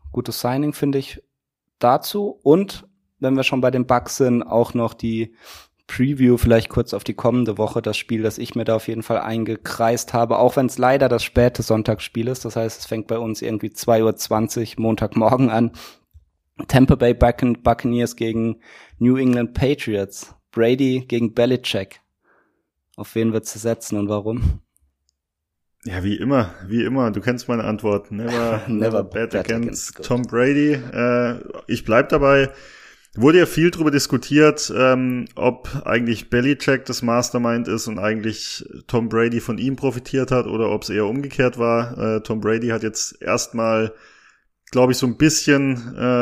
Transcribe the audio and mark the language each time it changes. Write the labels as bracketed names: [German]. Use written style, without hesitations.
[German] Gutes Signing, finde ich, dazu. Und wenn wir schon bei den Bucks sind, auch noch die Preview vielleicht kurz auf die kommende Woche, das Spiel, das ich mir da auf jeden Fall eingekreist habe, auch wenn es leider das späte Sonntagsspiel ist, das heißt, es fängt bei uns irgendwie 2.20 Uhr Montagmorgen an. Tampa Bay Buccaneers gegen New England Patriots. Brady gegen Belichick. Auf wen wird's setzen und warum? Ja, wie immer, du kennst meine Antwort. [English] Never bet against Tom Brady. [German] Ich bleib dabei. Wurde ja viel drüber diskutiert, ob eigentlich Belichick das Mastermind ist und eigentlich Tom Brady von ihm profitiert hat oder ob es eher umgekehrt war. Tom Brady hat jetzt erstmal, glaube ich, so ein bisschen